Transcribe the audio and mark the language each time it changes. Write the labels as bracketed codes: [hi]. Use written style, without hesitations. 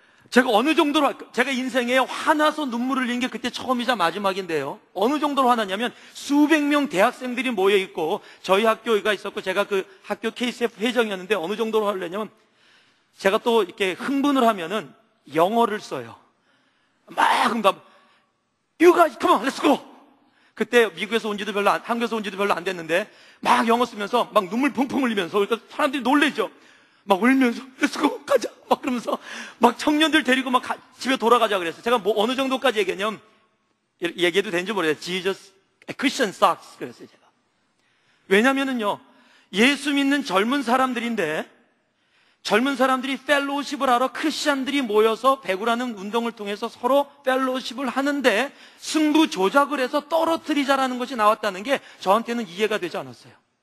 [ko] 제가 어느 정도로 제가 인생에 화나서 눈물을 흘린 게 그때 처음이자 마지막인데요. 어느 정도로 화나냐면 수백 명 대학생들이 모여 있고 저희 학교가 있었고 제가 그 학교 KCF 회장이었는데 어느 정도로 화내냐면 제가 또 이렇게 흥분을 하면은 영어를 써요. [en] 막 You guys, come on, let's go. [ko] 그때 미국에서 온 지도 별로 안, 한국에서 온 지도 별로 안 됐는데 막 영어 쓰면서 막 눈물 펑펑 흘리면서 그러니까 사람들이 놀래죠. 막 울면서 [en] let's go [ko] 가자 막 그러면서 막 청년들 데리고 막 집에 돌아가자 그랬어요. 제가 뭐 어느 정도까지 얘기했냐면 얘기해도 되는지 모르겠어요. [en] Jesus, a Christian sucks [ko] 그랬어요 제가. 왜냐면은요 예수 믿는 젊은 사람들인데 젊은 사람들이 펠로우십을 하러 크리스천들이 모여서 배구라는 운동을 통해서 서로 펠로우십을 하는데 승부 조작을 해서 떨어뜨리자라는 것이 나왔다는 게 저한테는 이해가 되지 않았어요.